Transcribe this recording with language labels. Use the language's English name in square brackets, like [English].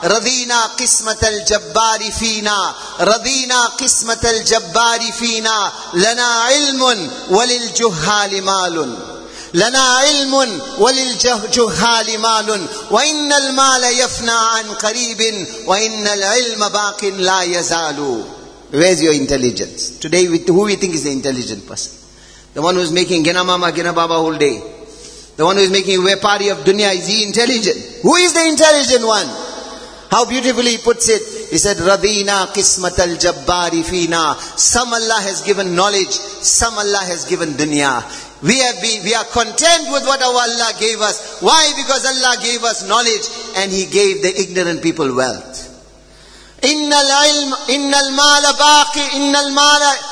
[Arabic] رَضِيْنَا قِسْمَةَ الْجَبَّارِ فِيْنَا رَضِيْنَا قِسْمَةَ الْجَبَّارِ فِيْنَا لَنَا عِلْمٌ وَلِلْجُهَّالِ مَالٌ لَنَا عِلْمٌ وَلِلْجُهَّالِ مَالٌ وَإِنَّ الْمَالَ يَفْنَى عَنْ قَرِيبٍ وَإِنَّ الْعِلْمَ بَاقٍ لَا يَزَالُ. [English] Where's your intelligence? Today, who we think is the intelligent person? The one who's making Gena Mama, Gena Baba whole day. The one who's making a party of dunya, is he intelligent? Who is the intelligent one? How beautifully he puts it. He said, [Arabic] رَضِيْنَا قِسْمَةَ الْجَبَّارِ فِيْنَا. [English] Some Allah has given knowledge, some Allah has given dunya. We are content with what our Allah gave us. Why? Because Allah gave us knowledge and He gave the ignorant people wealth. [Arabic] Innal ilm, innal mala baqi, innal mala,